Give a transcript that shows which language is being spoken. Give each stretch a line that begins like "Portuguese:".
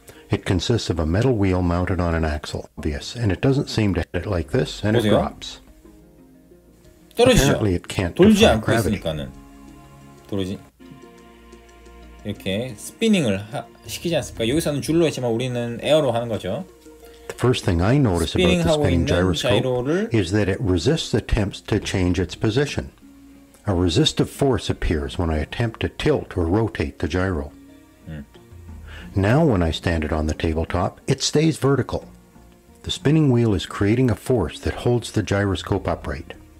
English: It consists of a metal wheel mounted on an axle, obvious, and it doesn't seem to hit it like this, and
Korean: 보세요.
English: It drops.
Korean: 떨어지죠?
English: Apparently it can't defy gravity.
Korean: 떨어지. 이렇게 스피닝을 시키지 않습니까? 여기서는 줄로 했지만 우리는 에어로 하는 거죠.
English: The first thing I notice about the spinning gyroscope is that it resists attempts to change its position. A resistive force appears when I attempt to tilt or rotate the gyro. Now when I stand it on the tabletop, it stays vertical. The spinning wheel is creating a force that holds the gyroscope upright.